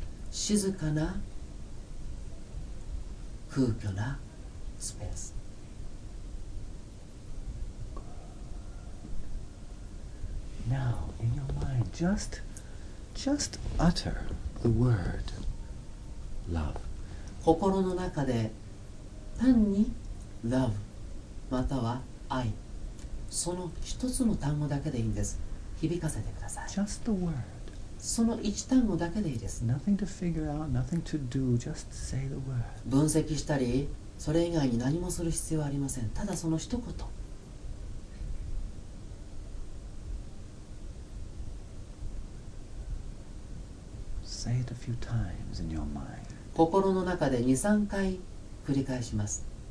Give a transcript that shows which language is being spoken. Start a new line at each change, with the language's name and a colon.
Japanese: 静かな空虚なスペース。
English: Now, in your mind, just utter the word love.
Japanese: 心の中で単に love または愛、その一つの単語だけでいいんです。響かせてください。
English: Just the word.
Japanese: その一単語だけでいいです。 Nothing to figure out, nothing to do, just say the word. 分析したり、それ以外に何もする必要はありません。ただその一言。
English: Say it a few times in your mind.
Japanese: 心の中で2、3回繰り返します。